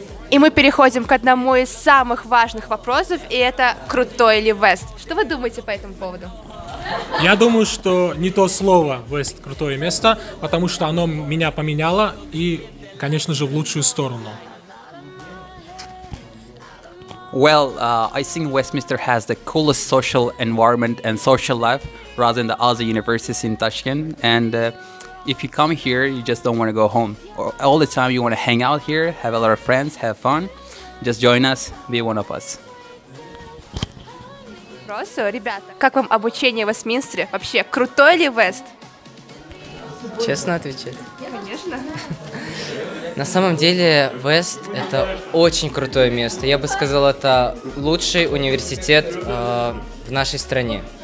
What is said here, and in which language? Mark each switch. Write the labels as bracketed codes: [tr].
[ru] И мы переходим к одному из самых важных вопросов, и это крутой ли West? Что вы думаете по этому поводу? Я думаю, что не то слово West — крутое место, потому что оно меня поменяло и, конечно же, в лучшую сторону. [en] Well, I think Westminster has the coolest social environment and social life rather than the other universities in Tashkent. And if you come here, you just don't want to go home. All the time you want to hang out here, have a lot of friends, have fun. Just join us, be one of us. [ru] Просто, ребята, как вам обучение в Вестминстере? Вообще, крутой ли West? Честно отвечать? Конечно. На самом деле, West — это очень крутое место. Я бы сказал, это лучший университет в нашей стране.